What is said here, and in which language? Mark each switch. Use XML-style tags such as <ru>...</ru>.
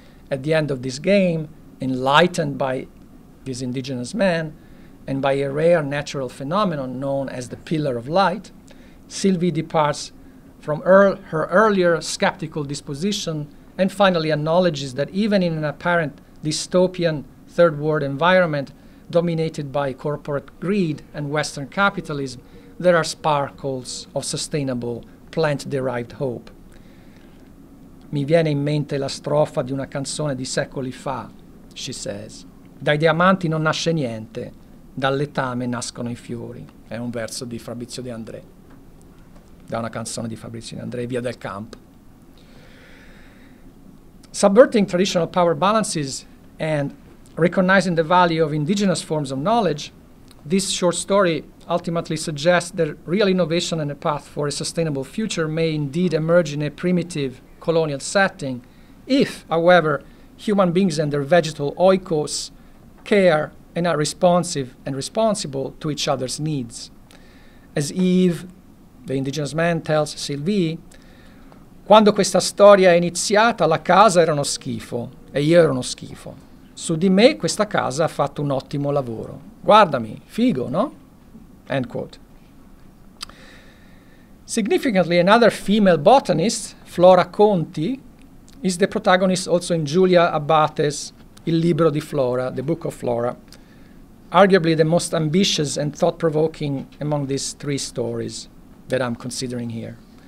<en>At the end of this game, enlightened by this indigenous man and by a rare natural phenomenon known as the Pillar of Light, Sylvie departs from her earlier skeptical disposition and finally acknowledges that even in an apparent dystopian third world environment dominated by corporate greed and Western capitalism, there are sparkles of sustainable plant-derived hope.</en> <it>Mi viene in mente la strofa di una canzone di secoli fa,</it> <en>she says.</en> <it>Dai diamanti non nasce niente, dal letame nascono i fiori. È un verso di Fabrizio De André. Da una canzone di Fabrizio De André, Via del Campo.</it> <en>Subverting traditional power balances and recognizing the value of indigenous forms of knowledge, this short story ultimately suggests that real innovation and a path for a sustainable future may indeed emerge in a primitive colonial setting if, however, human beings and their vegetal oikos care and are responsive and responsible to each other's needs. As Eve, the indigenous man, tells Sylvie,</en> <it>quando questa storia è iniziata, la casa era uno schifo e io ero uno schifo. Su di me questa casa ha fatto un ottimo lavoro. Guardami, figo, no?</it> <en>End quote. Significantly, another female botanist, Flora Conti, is the protagonist also in Giulia Abate's Il Libro di Flora, The Book of Flora, arguably the most ambitious and thought-provoking among these three stories that I'm considering here.</en>